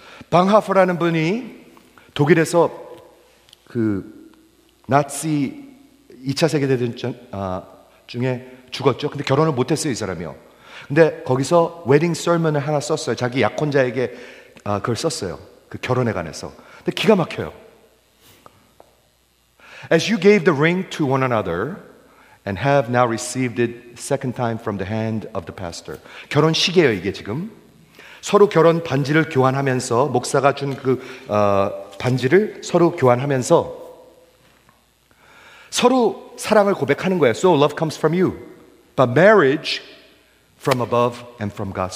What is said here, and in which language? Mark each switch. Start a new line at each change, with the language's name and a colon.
Korean: 방하퍼라는 분이 독일에서 그 나치 2차 세계대전 중에 죽었죠. 근데 결혼을 못했어요, 이 사람이요. 근데 거기서 웨딩 설먼을 하나 썼어요. 자기 약혼자에게 그걸 썼어요. 그 결혼에 관해서. 근데 기가 막혀요.
English: As you gave the ring to one another and have now received it second time from the hand of the pastor.
Korean: 결혼식이에요, 이게 지금. 서로 결혼 반지를 교환하면서 목사가 준 그 반지를 서로 교환하면서 서로 사랑을 고백하는 거예요.
English: So love comes from you. But marriage from above and from God.